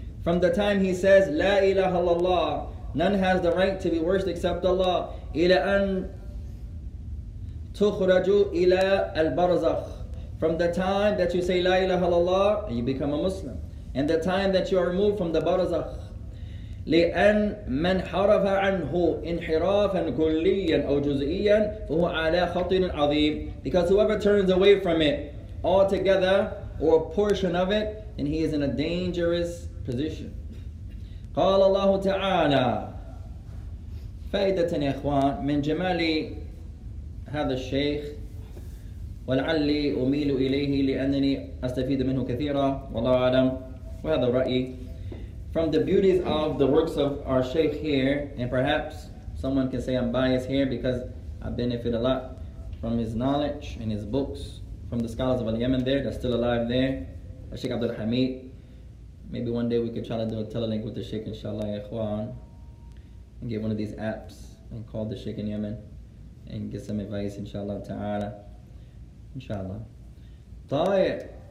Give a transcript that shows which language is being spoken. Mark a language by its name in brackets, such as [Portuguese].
[English] From the time he says, [Arabic] لا إله إلا الله, [English] none has the right to be worshipped except Allah, [Arabic] إلى أن تخرجوا إلى البرزخ. [English] From the time that you say, [Arabic] لا إله إلا الله, [English] you become a Muslim. And the time that you are removed from the برزخ. [Arabic] لأن من حرف عنه انحرافا كليا أو جزئيا فهو على خطر عظيم. [English] Because whoever turns away from it, altogether or a portion of it then he is in a dangerous position. [Arabic] قال الله تعالى فائدة يا إخوان من جمال هذا الشيخ ولعلي أميل إليه لأنني أستفيد منه كثيرا والله أعلم وهذا رأيي. [English] From the beauties of the works of our Shaykh here, and perhaps someone can say I'm biased here because I benefit a lot from his knowledge and his books from the scholars of Al-Yemen there, that's still alive there, our Shaykh Abdul Hamid. Maybe one day we could try to do a telelink with the Shaykh inshallah, Ikhwan, and get one of these apps and call the Shaykh in Yemen and get some advice inshallah ta'ala, inshallah. Ta'ayat.